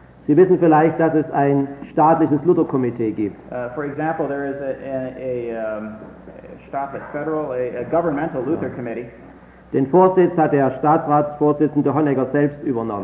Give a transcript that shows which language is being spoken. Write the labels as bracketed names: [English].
[German] Sie wissen vielleicht, dass es ein staatliches Lutherkomitee gibt. [English] For example, there is a governmental Luther Committee. [German] Den Vorsitz hat der Staatsratsvorsitzende Honecker selbst übernommen.